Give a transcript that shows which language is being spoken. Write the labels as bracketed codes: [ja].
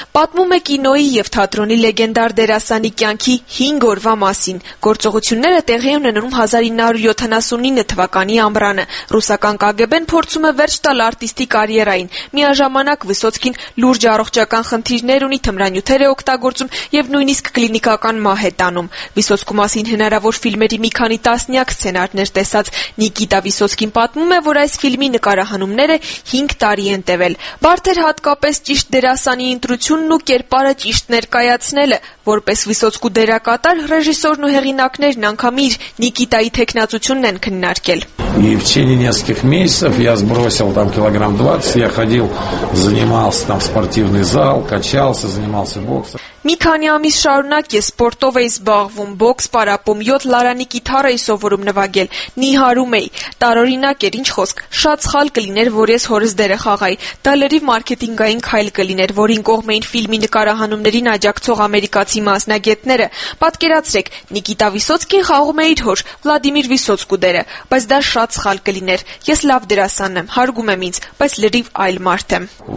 [hy] Պատմում է կինոյի և թատրոնի լեգենդար դերասանի կյանքի 5 օրվա մասին։ Գործողությունները տեղի ունենում 1979 թվականի ամռանը։ Ռուսական ԿԳԲ-ն փորձում է վերջ տալ արտիստի կարիերային։ Միաժամանակ Վիսոցկին լուրջ առողջական խնդիրներ ունի, թմրանյութեր է օգտագործում և նույնիսկ կլինիկական մահ է տանում։ Վիսոցկու մասին հնարավոր ֆիլմերի մի քանի տասնյակ սցենարներ տեսած Նիկիտա Վիսոցկին պատմում է, որ այս ֆիլմի նկարահանումները 5 տարի են տևել։ Բարդեր հատկապես ճիշտ դերասանի ընտրությունն ու կերպարը ճիշտ ներկայացնելը, որպես Վիսոցկու դերակատար, ռեժիսորն ու հեղինակներն անգամ իր Նիկիտայի թեկնածությունն են քննարկել։ [ru] И в течение нескольких месяцев я сбросил там килограмм 20, я ходил, занимался там в спортивный зал, качался, занимался боксом. [hy] Մի քանի ամիս շարունակ ես սպորտով էի զբաղվում, բոքս պարապում, 7 լարանի կիթառ էի սովորում նվագել, նիհարում էի, տարօրինակ էր, ինչ խոսք, շատ սխալ կլիներ, որ ես հորս դերը խաղայի, դա լրիվ մարքեթինգային քայլ կլիներ, որին կողմեին ֆիլմի նկարահանումներին աջակցող ամերիկացի մասնագետները, պատկերացրեք, Նիկիտա Վիսոցկին խաղում է իր հոր, Վլադիմիր Վիսոցկու դերը, բայց դա շատ սխալ կլիներ, ես լավ դերասան եմ, հարգում եմ ինձ, բայց լրիվ այլ մարդ եմ.